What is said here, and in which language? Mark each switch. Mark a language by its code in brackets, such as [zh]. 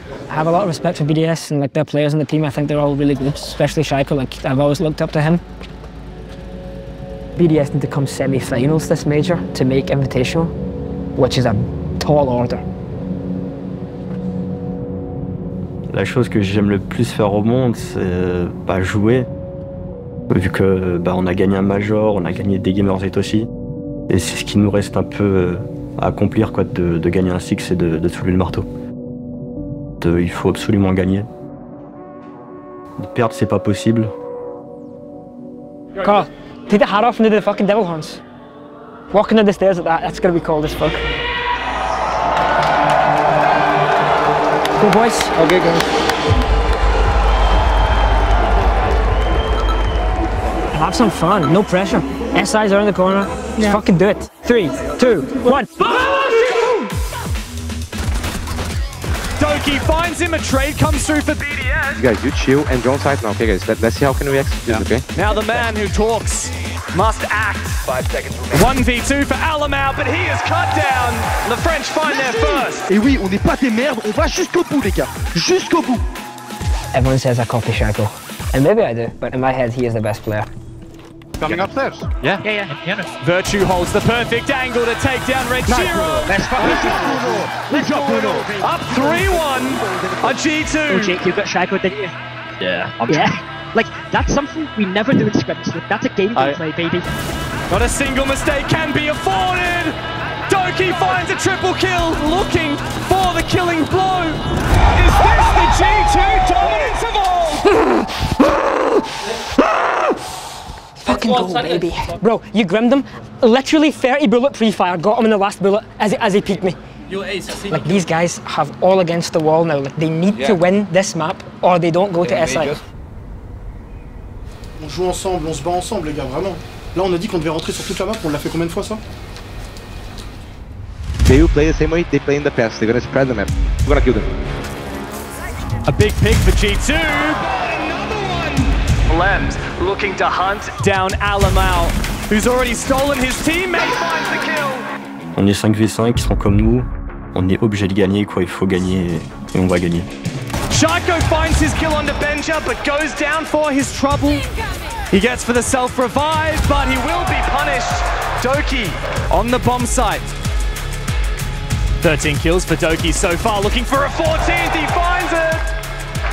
[en] I have a lot of respect for BDS and like their players on the team. I think they're all really good, especially Shaiko. Like, I've always looked up to him. BDS need to come semi-finals this major to make Invitational, which is a tall order. [fr] La chose que j'aime le plus faire au monde, c'est pas jouer. Vu que bah, on a gagné un major, on a gagné des Gamers 8 aussi. Et c'est ce qui nous reste un peu à accomplir, quoi, de gagner un Six et de soulever le marteau. Il faut absolument gagner. De perdre, c'est pas possible. [en] Carl, take the hat off and do the fucking devil horns. Walking down the stairs at that, that's gonna be cold as fuck. Go boys. Okay, guys. Have some fun, no pressure. SI's around the corner. Just yeah. Fucking do it. 3, 2, 1. Doki finds him, a trade comes through for BDS. You guys, you chill and don't fight now. Okay, guys, let's see how can we execute, yeah. Okay? Now the man who talks must act. 5 seconds remaining. 1v2 for Alamau, but he is cut down. The French find their first. [fr] Et oui, on n'est pas des merdes, on va jusqu'au bout, les gars. Jusqu'au bout. [en] Everyone says I copy Shaco. And maybe I do, but in my head, he is the best player. Coming up there? Yeah. Yeah, yeah. Virtue holds the perfect angle to take down Red Shiro. Let's go, Bruno. Up 3-1 on G2. Oh, Jake, you got Shaco, didn't you? Yeah. Like, that's something we never do in scrims. Like, that's a game gameplay, baby. Not a single mistake can be afforded. Doki finds a triple kill, looking for the killing blow. Is this the G2 dominance of all? Fucking go, baby. Bro, you grimmed him. Literally 30 bullet pre-fire, got him in the last bullet as he peeked me. Like, these guys have all against the wall now. Like, they need to win this map or they don't go to SI. [fr] On joue ensemble, on se bat ensemble, les gars, vraiment. Là, on a dit qu'on devait rentrer sur toute la map, on l'a fait combien de fois, ça? [en] They will play the same way they play in the past. They're gonna spread the map. We're gonna kill them. A big pick for G2. Oh, another one! Lems looking to hunt down Alamau, who's already stolen his teammate. Finds the kill. [fr] On est 5v5, ils sont comme nous. On est obligé de gagner, quoi. Il faut gagner et on va gagner. [en] Shaco finds his kill on the Benja, but goes down for his trouble. He gets for the self-revive, but he will be punished. Doki on the bomb site. 13 kills for Doki so far, looking for a 14th, he finds it!